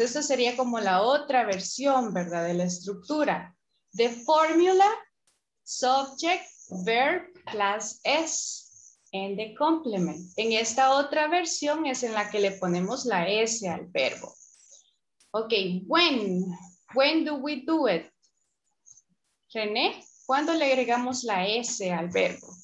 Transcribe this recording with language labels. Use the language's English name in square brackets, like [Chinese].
[Spanish] Esta sería como la otra versión, ¿verdad? De la estructura. [English] The formula, subject, verb, plus S, and the complement. [Spanish] En esta otra versión es en la que le ponemos la S al verbo. [English] Ok, when? When do we do it? [Spanish] René, ¿cuándo le agregamos la S al verbo?